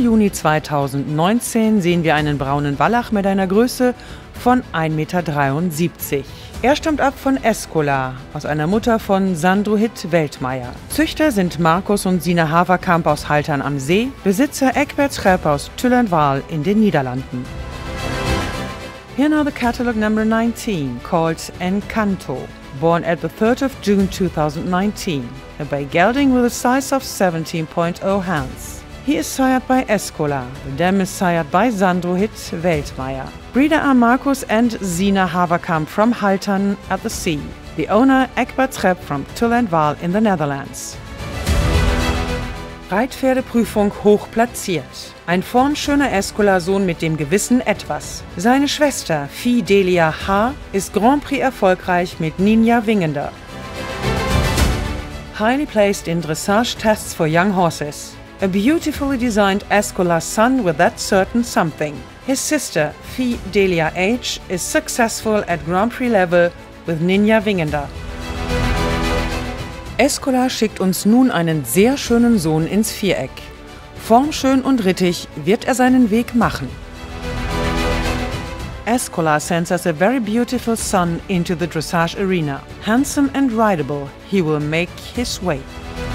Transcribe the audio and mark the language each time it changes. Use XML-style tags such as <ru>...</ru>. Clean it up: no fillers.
<de>Juni 2019 sehen wir einen braunen Wallach mit einer Größe von 1,73 Meter. Er stammt ab von Escola, aus einer Mutter von Sandro Hit Weltmeier. Züchter sind Markus und Sina Haverkamp aus Haltern am See, Besitzer Egbert Schrepp aus Tüllenwahl in den Niederlanden.</de> <en>Here now the catalog number 19, called Encanto. Born at the 3rd of June 2019, a bay gelding with a size of 17.0 hands. He is sired by Escola. The dam is sired by Sandro Hit Weltmeier. Breeder are Markus and Sina Haverkamp from Haltern at the Sea. The owner Egbert Trepp from Tüllenwahl in the Netherlands.</en> <de>Reitpferdeprüfung hoch platziert. Ein formschöner Escola-Sohn mit dem Gewissen etwas. Seine Schwester Fidelia H. ist Grand Prix erfolgreich mit Ninja Wingender.</de> <en>Highly placed in Dressage Tests for Young Horses. A beautifully designed Escola son with that certain something. His sister, Fidelia H., is successful at Grand Prix level with Ninja Wingender.</en> <de>Escola schickt uns nun einen sehr schönen Sohn ins Viereck. Formschön und rittig wird er seinen Weg machen.</de> <en>Escola sends us a very beautiful son into the dressage arena. Handsome and rideable, he will make his way.</en>